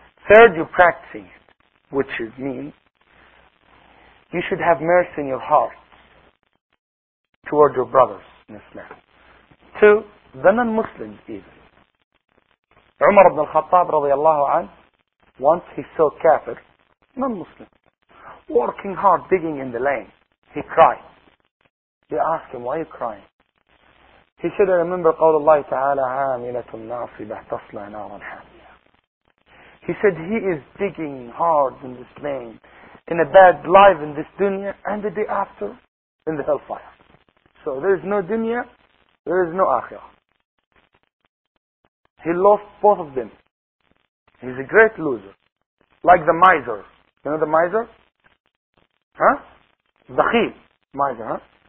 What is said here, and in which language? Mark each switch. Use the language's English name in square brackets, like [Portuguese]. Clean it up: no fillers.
[English] Third, you practicing it, which is mean. You should have mercy in your heart toward your brothers in Islam. Two, the non-Muslims even. Umar ibn al-Khattab, radiallahu anhu, once he saw kafir, non-Muslim, working hard, digging in the lane, he cried. They asked him, why are you crying? He said, I remember [Arabic] قول الله تعالى عاملة ناصبة تصلى نارا حامية. [English] He said, he is digging hard in this lane, in a bad life in this dunya, and the day after, in the hellfire. So there is no dunya, there is no akhirah. He lost both of them. He's a great loser. Like the miser. You know the miser? Huh? Dakhil. Miser, huh?